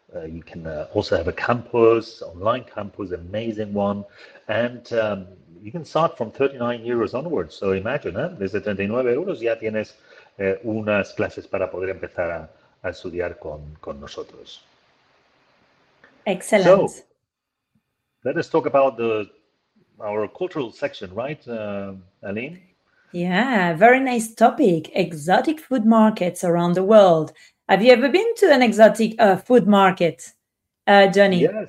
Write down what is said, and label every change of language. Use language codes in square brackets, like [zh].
[en] You can also have a campus, online campus, amazing one. And you can start from 39 euros onwards. So imagine, [es] desde 39 euros ya tienes unas clases para poder empezar a estudiar con nosotros. [en] Excellent. So let us talk about our cultural section, right, Aline? Yeah, very nice topic. Exotic food markets around the world. Have you ever been to an exotic food market, Johnny?